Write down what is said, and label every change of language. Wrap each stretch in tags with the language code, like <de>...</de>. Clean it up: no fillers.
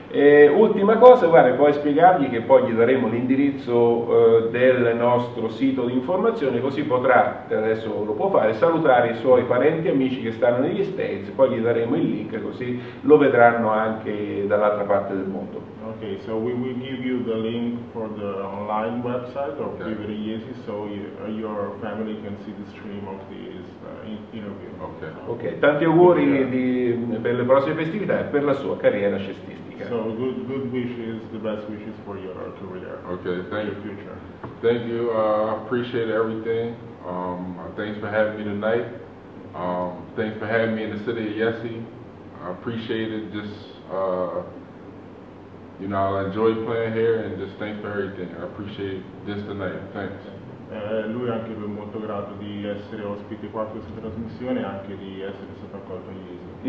<it>E ultima cosa, guarda, puoi spiegargli che poi gli daremo l'indirizzo del nostro sito di informazione, così potrà, adesso lo può fare, salutare i suoi parenti e amici che stanno negli States, poi gli daremo il link così lo vedranno anche dall'altra parte del mondo.</it> <en>Ok, so we will give you the link for the online website of Vivere Jesi, so your family can see the stream of this interview. Okay.</en> <it>Tanti auguri per le prossime festività e per la sua carriera cestistica.</it> <en>So good wishes, the best wishes for your career. Okay, thank you. Future. Thank you. I appreciate everything. Thanks for having me tonight. Thanks for having me in the city of Jesi. I appreciate it. I enjoy playing here, and just thanks for everything. I appreciate this tonight. Thanks.</en> <it>Lui è anche molto grato di essere ospite qua a questa trasmissione e anche di essere stato accolto a Jesi.</it>